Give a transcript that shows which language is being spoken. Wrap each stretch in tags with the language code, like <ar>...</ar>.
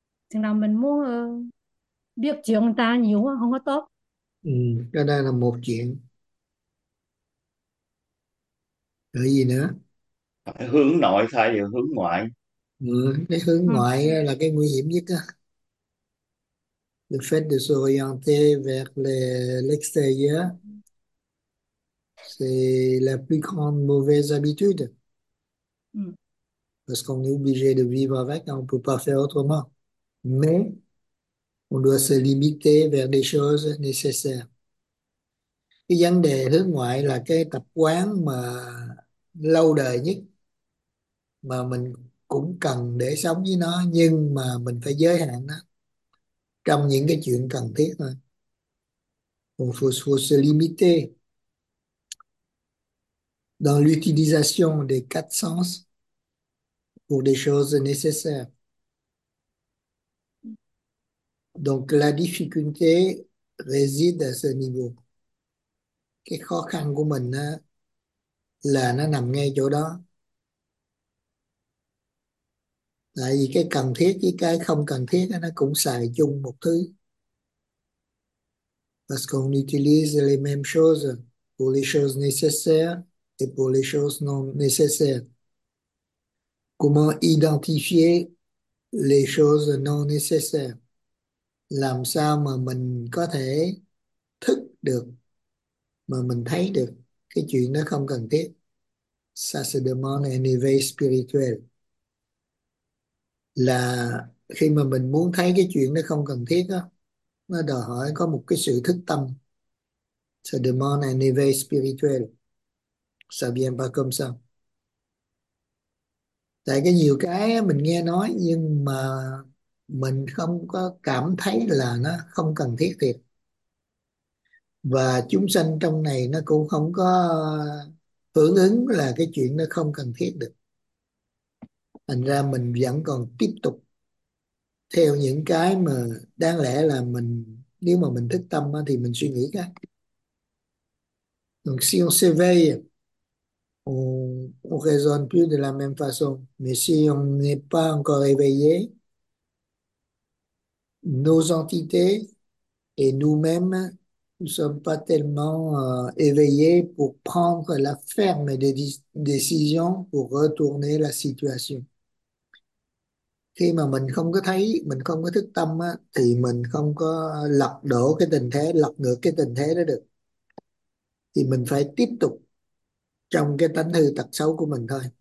<vi>Chừng nào mình muốn biết chuyện người ta nhiều quá không có tốt. Cái đây là một chuyện. Cái gì nữa? Hướng nội thay vì hướng ngoại. Cái hướng ngoại là cái nguy hiểm nhất á.</vi> <fr>Le fait de s'orienter vers l'extérieur, c'est la plus grande mauvaise habitude. Parce qu'on est obligé de vivre avec, on ne peut pas faire autrement. Mais on doit se limiter vers des choses nécessaires.</fr> <vi>Cái vấn đề hướng ngoại là cái tập quán mà lâu đời nhất mà mình cũng cần để sống với nó, nhưng mà mình phải giới hạn nó trong những cái chuyện cần thiết thôi.</vi> <fr>faut se limiter dans l'utilisation des quatre sens pour des choses nécessaires. Donc la difficulté réside à ce niveau.</fr> <vi>Cái khó khăn của mình á, là nó nằm ngay chỗ đó. Tại vì cái cần thiết với cái không cần thiết á, nó cũng xài chung một thứ.</vi> <fr>Parce qu'on utilise les mêmes choses pour les choses nécessaires et pour les choses non nécessaires. Comment identifier les choses non nécessaires?</fr> <vi>Làm sao mà mình có thể thức được mà mình thấy được cái chuyện nó không cần thiết?</vi> <fr>Ça se demande à un niveau spirituel.</fr> <vi>Là khi mà mình muốn thấy cái chuyện nó không cần thiết đó, nó đòi hỏi có một cái sự thức tâm.</vi> <fr>Ça demande à un niveau spirituel. Ça vient pas comme ça.</fr> <vi>Tại cái nhiều cái mình nghe nói nhưng mà mình không có cảm thấy là nó không cần thiết thiệt. Và chúng sanh trong này nó cũng không có hưởng ứng là cái chuyện nó không cần thiết được. Thành ra mình vẫn còn tiếp tục theo những cái mà đáng lẽ là mình, nếu mà mình thức tâm thì mình suy nghĩ cái.</vi> <fr>Donc si on s'éveille, on raisonne plus de la même façon. Mais si on n'est pas encore éveillé, nos entités et nous-mêmes, nous ne sommes pas tellement éveillés pour prendre la ferme décision pour retourner la situation.</fr> <vi>Khi mà mình không có thấy, mình không có thức tâm á, thì mình không có lật đổ cái tình thế, lật ngược cái tình thế đó được. Thì mình phải tiếp tục trong cái tánh hư tật xấu của mình thôi.</vi>